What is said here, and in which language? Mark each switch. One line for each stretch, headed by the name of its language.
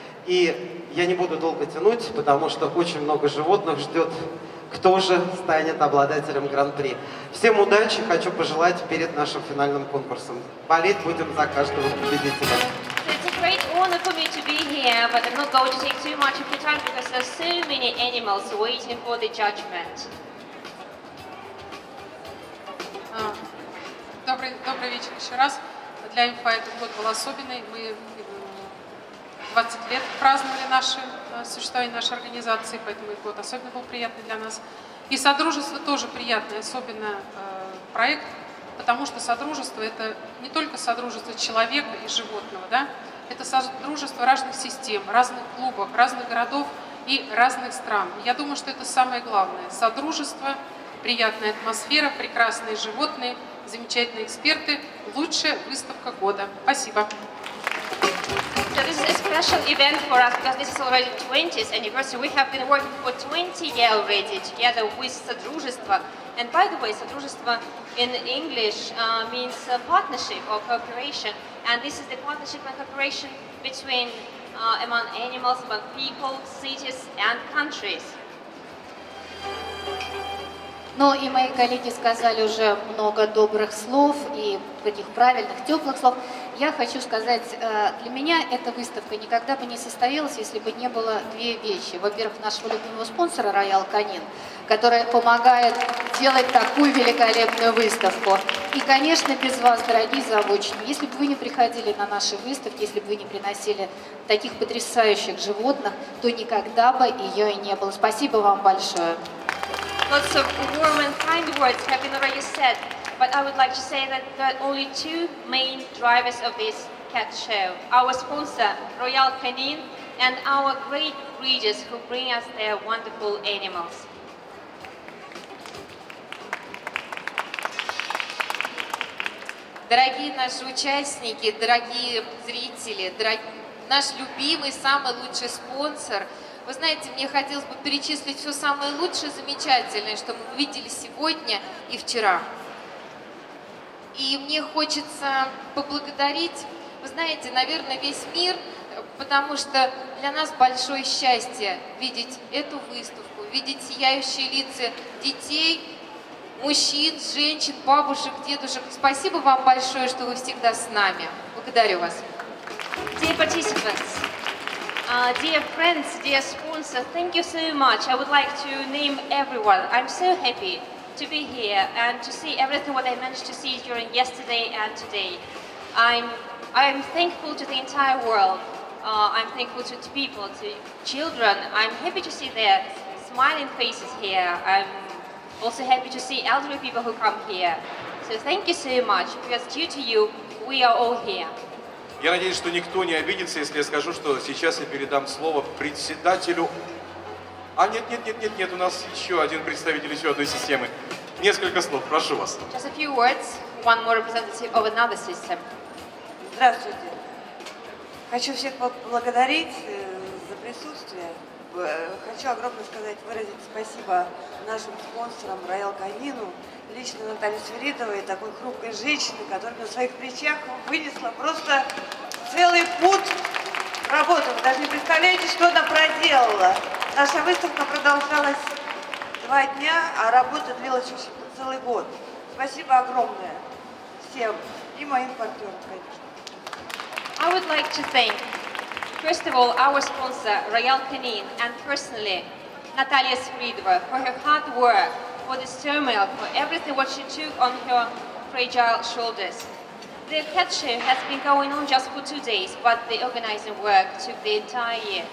Russian: И я не буду долго тянуть, потому что очень много животных ждет, кто же станет обладателем Гран-при. Всем удачи, хочу пожелать перед нашим финальным конкурсом. Болеть будем за каждого победителя.
English: Honor for me to be here, but I'm not going to take too much of your time because there's so many animals waiting for the judgment.
Russian: Добрый вечер еще раз. Для МФА этот год был особенный. Мы 20 лет праздновали наше существование нашей организации, поэтому этот год особенно был приятный для нас. И содружество тоже приятное, особенно проект, потому что содружество это не только содружество человека и животного, да? Это содружество разных систем, разных клубов, разных городов и разных стран. Я думаю, что это самое главное. Содружество, приятная атмосфера, прекрасные животные, замечательные эксперты, лучшая выставка года. Спасибо.
English: So this is a special event for us because this is already 20th anniversary. We have been working for 20 years already together with Содружество. And by the way, Содружество in English means a partnership or cooperation. And this is the partnership and cooperation between among animals, among people, cities and countries.
Russian: Ну и мои коллеги сказали уже много добрых слов и таких правильных, теплых слов. Я хочу сказать, для меня эта выставка никогда бы не состоялась, если бы не было две вещи. Во-первых, нашего любимого спонсора Роял Канин, который помогает делать такую великолепную выставку. И, конечно, без вас, дорогие заводчики, если бы вы не приходили на наши выставки, если бы вы не приносили таких потрясающих животных, то никогда бы ее и не было. Спасибо вам большое.
English: Lots of warm and kind words have been already said, but I would like to say that there are only two main drivers of this cat show. Our sponsor, Royal Canin, and our great breeders who bring us their wonderful animals.
Russian: Дорогие наши участники, дорогие зрители, наш любимый, самый лучший спонсор. Вы знаете, мне хотелось бы перечислить все самое лучшее, замечательное, что мы видели сегодня и вчера. И мне хочется поблагодарить, вы знаете, наверное, весь мир, потому что для нас большое счастье видеть эту выставку, видеть сияющие лица детей, мужчин, женщин, бабушек, дедушек. Спасибо вам большое, что вы всегда с нами. Благодарю вас.
English: Dear participants, dear friends, dear sponsor, thank you so much. I would like to name everyone. I'm so happy to be here and to see everything what I managed to see during yesterday and today. I'm thankful to the entire world. I'm thankful to people, to children. I'm happy to see their smiling faces here. I'm also happy to see elderly people who come here. So thank you so much, because due to you, we are all here.
Russian: Я надеюсь, что никто не обидится, если я скажу, что сейчас я передам слово председателю... А нет, у нас еще один представитель еще одной системы. Несколько слов, прошу вас.
English: Just a few words, one more representative of another system.
Russian: Здравствуйте. Хочу всех поблагодарить за присутствие. Хочу огромное сказать, выразить спасибо нашим спонсорам Роял Канину, лично Наталье Свиридовой, такой хрупкой женщине, которая на своих плечах вынесла просто целый путь работы. Вы даже не представляете, что она проделала. Наша выставка продолжалась 2 дня, а работа длилась еще целый год. Спасибо огромное всем и моим партнерам, конечно.
English: I would like to thank, first of all, our sponsor, Роял Канин, and personally, Наталья Свиридова, for her hard work, for this turmoil, for everything what she took on her fragile shoulders. The cat show has been going on just for 2 days, but the organizing work took the entire year.